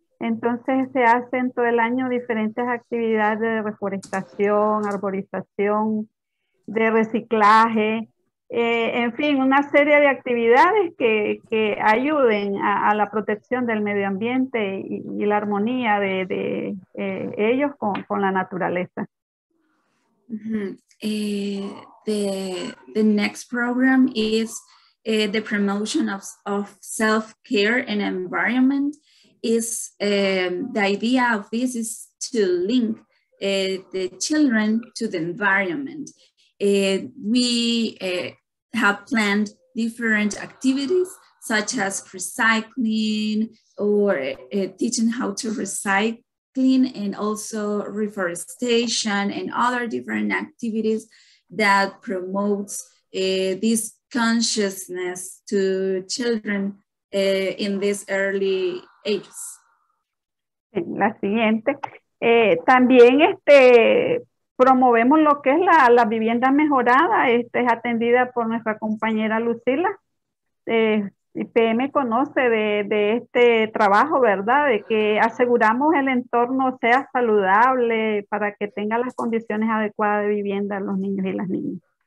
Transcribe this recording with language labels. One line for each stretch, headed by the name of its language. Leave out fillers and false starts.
Spanish: Entonces se hacen todo el año diferentes actividades de reforestación, arborización, de reciclaje, en fin, una serie de actividades que ayuden a la protección del medio ambiente y la armonía de ellos con la naturaleza. Mm-hmm.
English: The next program is the promotion of self-care and environment. Is the idea of this is to link the children to the environment. We have planned different activities such as recycling or teaching how to recycle and also reforestation and other different activities that promotes this consciousness to children in this early ages.
Spanish: La siguiente. También promovemos lo que es la vivienda mejorada. Esta es atendida por nuestra compañera Lucila. IPM conoce de este trabajo, ¿verdad? De que aseguramos el entorno sea saludable para que tenga las condiciones adecuadas de vivienda los niños y las niñas.